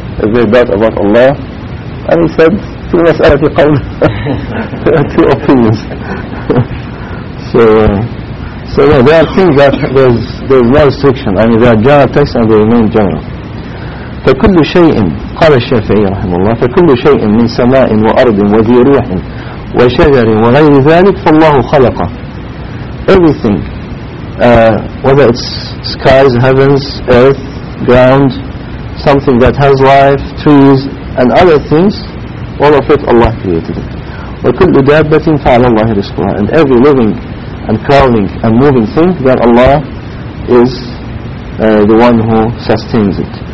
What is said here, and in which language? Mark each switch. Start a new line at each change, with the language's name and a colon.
English: If they doubt about Allah, and he said, "Two mas'alat qawl, two opinions." So, So yeah, there are things that there's no restriction. I mean, there are general texts and they remain general.
Arabic: فكل شيء قال الشافعي رحمه الله فكل شيء من سماء وأرض وذي ريح وشجر وغير ذلك فالله خلقه.
English: Everything, whether it's skies, heavens, earth, ground, something that has life, trees and other things, all of it Allah created it.
Arabic: وكل دابة فعل الله رزقها.
English: And every living and crawling and moving thing, that Allah is the one who sustains it.